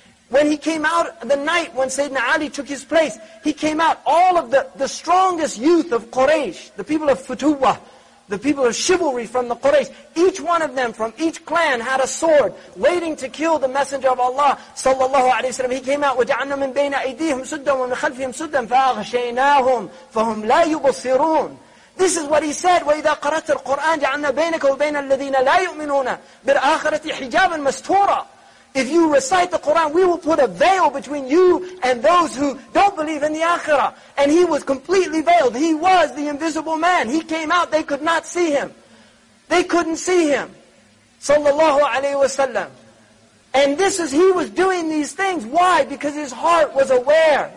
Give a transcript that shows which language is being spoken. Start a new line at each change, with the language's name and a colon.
English: When he came out the night when Sayyidina Ali took his place, he came out, all of the strongest youth of Quraysh, the people of Futuwa, the people of chivalry from the Quraysh, each one of them from each clan had a sword waiting to kill the Messenger of Allah sallallahu alaihi wasallam. He came out,
Arabic: وَجَعَلْنَا مِنْ بَيْنَ أَيْدِيهِمْ سُدًّا وَمِنْ خَلْفِهِمْ سُدًّا فَأَغْشَيْنَاهُمْ فَهُمْ لَا يُبَصِّرُونَ.
English: This is what he said,
Arabic: وَإِذَا قَرَأْتَ الْقُرْآنَ جَعَلْنَا بَيْنَكَ وَبَيْنَ الَّذِينَ لَا يُؤْمِنُونَ بِالْآخِرَةِ حِجَابًا مَسْتُورًا.
English: If you recite the Qur'an, we will put a veil between you and those who don't believe in the Akhirah. And he was completely veiled. He was the invisible man. He came out, they could not see him. They couldn't see him. Sallallahu alayhi wa sallam. And this is, he was doing these things. Why? Because his heart was aware.